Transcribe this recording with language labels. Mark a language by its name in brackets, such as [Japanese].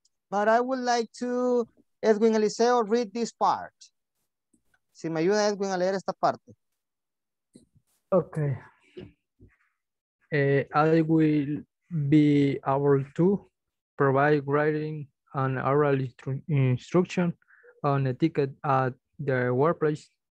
[English] But I would like to, Edwin Eliseo, read this part. [Spanish] Si me ayuda Edwin a leer esta parte. [English] Okay. I will be able to provide writing and oral instruction on a ticket at the workplace.